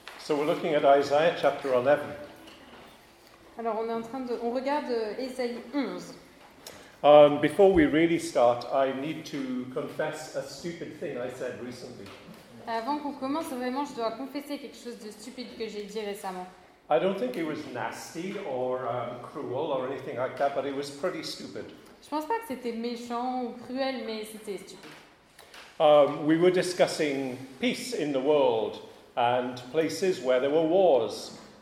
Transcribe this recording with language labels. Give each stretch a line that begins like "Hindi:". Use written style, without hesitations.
English: So we're looking at Isaiah chapter 11.
French: Alors on est en train de on regarde Ésaïe 11.
English: Before we really start, I need to confess a stupid thing I said recently.
French: Avant qu'on commence vraiment, je dois confesser quelque chose de stupide que j'ai dit récemment.
English: I don't think it was nasty or cruel or anything like that, but it was pretty stupid.
French: Je pense pas que c'était méchant ou cruel, mais c'était stupide.
English: We were discussing peace in the world and places where there were wars.